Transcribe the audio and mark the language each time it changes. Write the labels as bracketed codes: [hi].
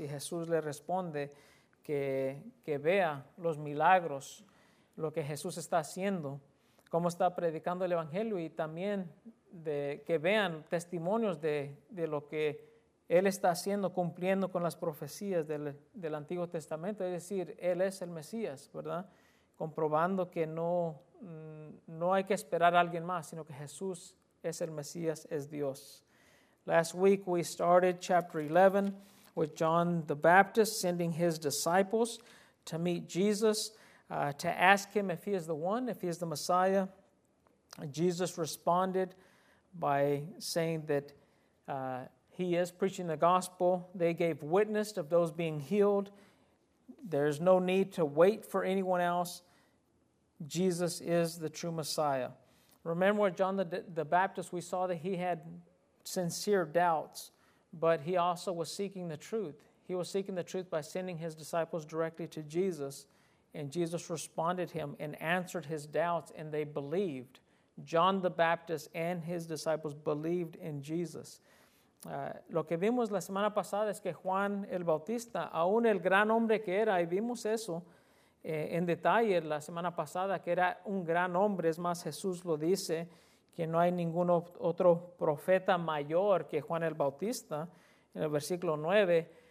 [es] Y Jesús le responde que vea los milagros, lo que Jesús está haciendo, cómo está predicando el evangelio, y también de que vean testimonios de lo que él está haciendo, cumpliendo con las profecías del Antiguo Testamento. Es decir, él es el Mesías, ¿verdad? Comprobando que no hay que esperar a alguien más, sino que Jesús es el Mesías, es Dios. [en] Last week we started chapter 11 with John the Baptist sending his disciples to meet Jesus, to ask him if he is the one, if he is the Messiah. Jesus responded by saying that he is preaching the gospel. They gave witness of those being healed. There's no need to wait for anyone else. Jesus is the true Messiah. Remember with John the Baptist, we saw that he had sincere doubts, but he also was seeking the truth. He was seeking the truth by sending his disciples directly to Jesus, and Jesus responded to him and answered his doubts, and they believed. John the Baptist and his disciples believed in Jesus. [es] Lo que vimos la semana pasada es que Juan el Bautista, aún el gran hombre que era, y vimos eso en detalle la semana pasada, que era un gran hombre. Es más, Jesús lo dice, que no hay ningún otro profeta mayor que Juan el Bautista. En el versículo 9,